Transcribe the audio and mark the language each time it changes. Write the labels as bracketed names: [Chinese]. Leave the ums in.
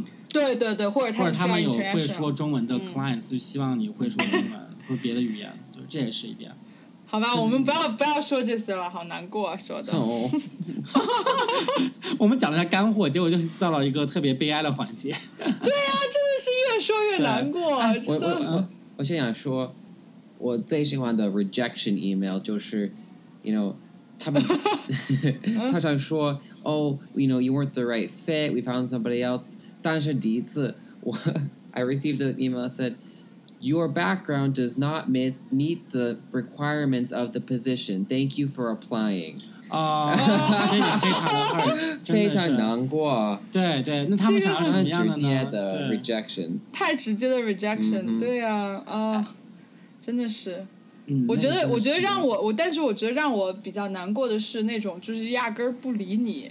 [Chinese] 对对对，或者者他们有会说中文的 clients，就希望你会说中文或别的语言，对，这也是一点。好吧，我们不要不要说这些了，好难过说的。我们讲了下干货，结果就到了一个特别悲哀的环节。对啊，真的是越说越难过。我我我，我想想说，我最喜欢的 rejection email 就是，you know，他们常常说，oh，you know， [English] you weren't the right fit，we found somebody else。 [Chinese] 但是第一次,我, [English] I received an email that said your background does not meet, meet the requirements of the position. Thank you for applying. [Chinese] 啊，这也非常的非常难过。对对，那他们想要什么样的呢？的 uh, rejection，太直接的 rejection，对啊，啊，真的是。我觉得，我觉得让我我，但是我觉得让我比较难过的是那种，就是压根儿不理你。